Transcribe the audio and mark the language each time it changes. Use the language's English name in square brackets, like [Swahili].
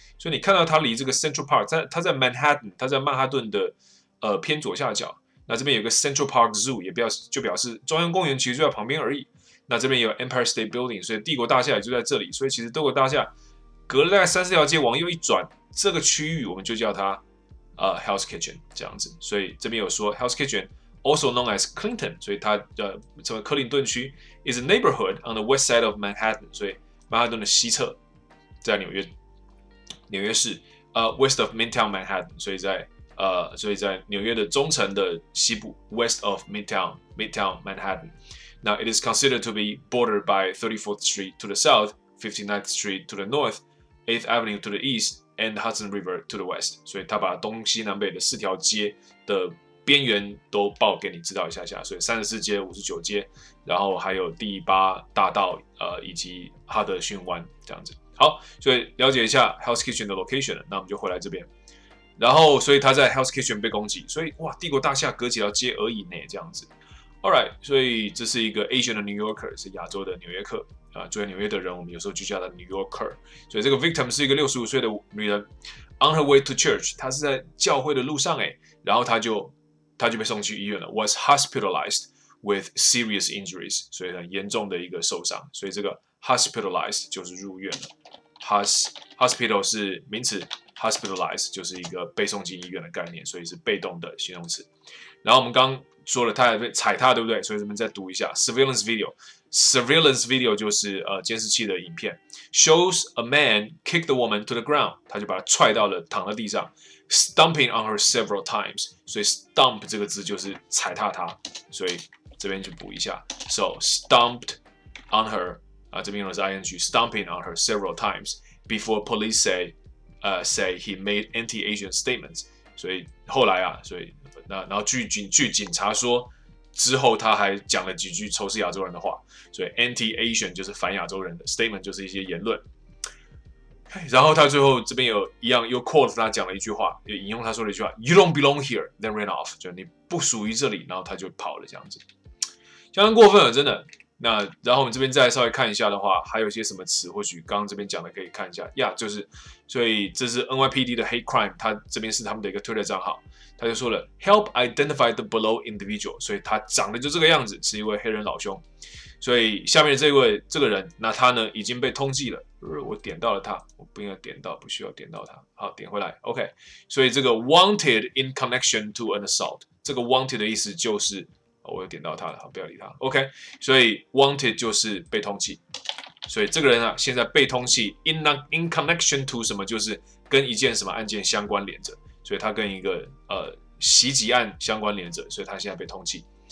[Chinese] 所以你看到它离这个 Central Park， 它在 Manhattan， 它在曼哈顿的偏左下角。那这边有个 Central Park Zoo， 就表示中央公园其实就在旁边而已。那这边有 Empire State Building， 所以帝国大厦也就在这里。所以其实帝国大厦隔了大概3-4条街往右一转，这个区域我们就叫它。 [English] Hell's Kitchen [Chinese] 这样子，所以这边有说 [English] Hell's Kitchen also known as Clinton， [Chinese] 所以它称为克林顿区 [English] is a neighborhood on the west side of Manhattan， [Chinese] 所以曼哈顿的西侧，在纽约市 [English] west of Midtown Manhattan， [Chinese] 所以在纽约的中城的西部 [English] west of Midtown Manhattan。 Now it is considered to be bordered by 34th Street to the south， 59th Street to the north， 8th Avenue to the eastAnd Hudson River to the west， [Chinese] 所以他把东西南北的四条街的边缘都报给你知道一下下，所以34街、59街，然后还有第8大道，以及哈德逊湾这样子。好，所以了解一下 Hell's Kitchen 的 location， 那我们就回来这边。然后，所以他在 Hell's Kitchen 被攻击，所以哇，帝国大厦隔几条街而已呢，这样子。 [English] All right， [Chinese] 所以这是一个 Asian 的 New Yorker， 是亚洲的纽约客啊，住在纽约的人，我们有时候就叫他 New Yorker。所以这个 victim 是一个65岁的女人 ， [English] on her way to church， [Chinese] 她是在教会的路上哎，然后她就被送去医院了 ， [English] was hospitalized with serious injuries， [Chinese] 所以很严重的一个受伤，所以这个 hospitalized 就是入院了。 Hospital 是名词 ，hospitalized 就是一个被送进医院的概念，所以是被动的形容词。然后我们刚说了他还被踩踏，对不对？所以我们再读一下 surveillance video。 Surveillance video 就是监视器的影片 ， [English] shows a man kick the woman to the ground， [Chinese] 他就把她踹到了躺在地上 ， [English] stomping on her several times， [Chinese] 所以 stomp 这个字就是踩踏她，所以这边就补一下 ， [English] so stomped on her。 [Chinese] 啊，这边用的是 [English] ing， stomping on her several times before police say he made anti-Asian statements。 [Chinese] 所以后来啊，所以那然后据警察说，之后他还讲了几句仇视亚洲人的话。所以 anti-Asian 就是反亚洲人的 statement， 就是一些言论。然后他最后这边有一样又 quote 他讲了一句话，又引用他说了一句话 ： [English] “You don't belong here, then ran off。” [Chinese] 就你不属于这里，然后他就跑了这样子，相当过分了，真的。那然后我们这边再稍微看一下的话，还有一些什么词，或许刚刚这边讲的可以看一下呀。 Yeah， 就是，所以这是 NYPD 的 hate crime， 他这边是他们的一个 Twitter 账号，他就说了 [English] help identify the below individual， [Chinese] 所以他长得就这个样子，是一位黑人老兄。所以下面这个人，那他呢已经被通缉了。我点到了他，我不应该点到，不需要点到他。好，点回来 ，OK。所以这个 [English] wanted in connection to an assault， [Chinese] 这个 wanted 的意思就是。我有点到他了，好，不要理他。OK， 所以 wanted 就是被通缉，所以这个人啊，现在被通缉 in connection to 什么，就是跟一件什么案件相关联着，所以他跟一个袭击案相关联着，所以他现在被通缉。